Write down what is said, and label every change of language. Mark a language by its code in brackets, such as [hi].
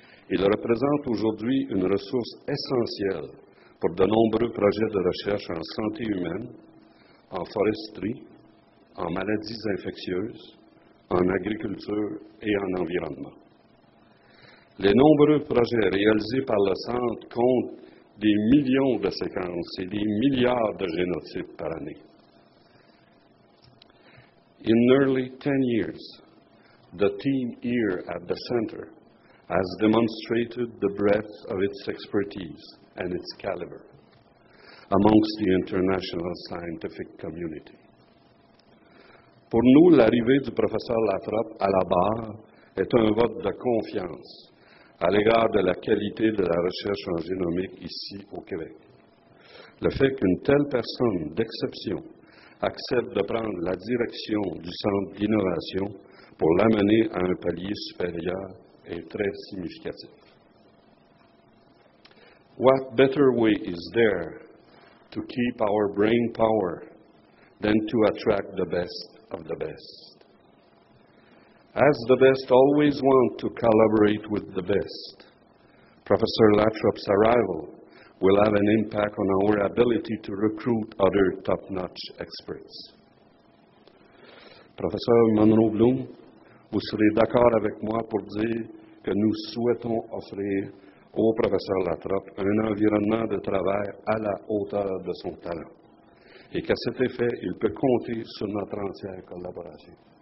[fr] Il représente aujourd'hui une ressource essentielle pour de nombreux projets de recherche en santé humaine, en foresterie, en maladies infectieuses, en agriculture et en environnement. Les nombreux projets réalisés par le Centre comptent des millions de séquences et des milliards de génotypes par année. [en] In nearly 10 years, the team here at the Center has demonstrated the breadth of its expertise and its caliber amongst the international scientific community. [fr] Pour nous, l'arrivée du professeur Latrobe à la barre est un vote de confiance à l'égard de la qualité de la recherche en génomique ici au Québec. Le fait qu'une telle personne d'exception accepte de prendre la direction du Centre d'innovation pour l'amener à un palier supérieur est très significatif. [en] What better way is there to keep our brain power than to attract the best of the best? As the best always want to collaborate with the best, Professor Lathrop's arrival will have an impact on our ability to recruit other top-notch experts. [fr] Professeur Monroe Bloom, vous serez d'accord avec moi pour dire que nous souhaitons offrir au professeur Lathrop un environnement de travail à la hauteur de son talent et qu'à cet effet, il peut compter sur notre entière collaboration.